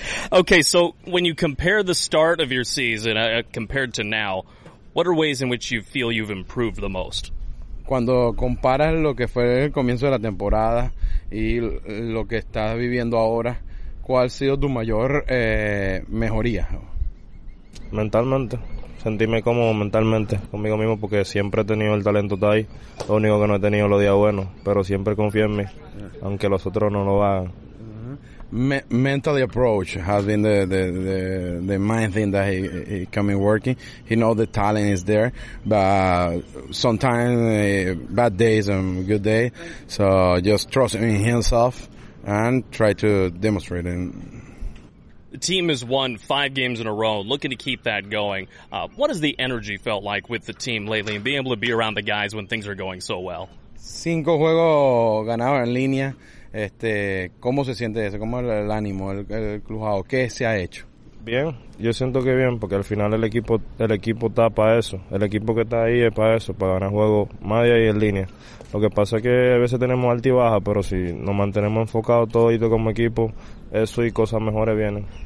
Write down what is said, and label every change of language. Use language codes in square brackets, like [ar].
[en] Okay, so when you compare the start of your season compared to now, what are ways in which you feel you've improved the most? [es] Cuando comparas lo que fue el comienzo de la temporada y lo que estás viviendo ahora, ¿cuál ha sido tu mayor mejoría? Mentalmente. Sentirme cómodo mentalmente conmigo mismo porque siempre he tenido el talento ahí. Lo único que no he tenido los días buenos, pero siempre confío en mí, aunque los otros no lo hagan. [en] Mental approach has been the main thing that he coming working. He knows the talent is there, but sometimes bad days and good days. So just trust in himself and try to demonstrate it. The team has won 5 games in a row, looking to keep that going. What has the energy felt like with the team lately and being able to be around the guys when things are going so well? [es] 5 juegos ganados en línea. ¿Cómo se siente eso? ¿Cómo es el ánimo, el club? ¿Qué se ha hecho? Bien, yo siento que bien, porque al final el equipo está para eso. El equipo que está ahí es para eso, para ganar juegos más de ahí en línea. Lo que pasa es que a veces tenemos altibajas, pero si nos mantenemos enfocados todos como equipo, eso y cosas mejores vienen.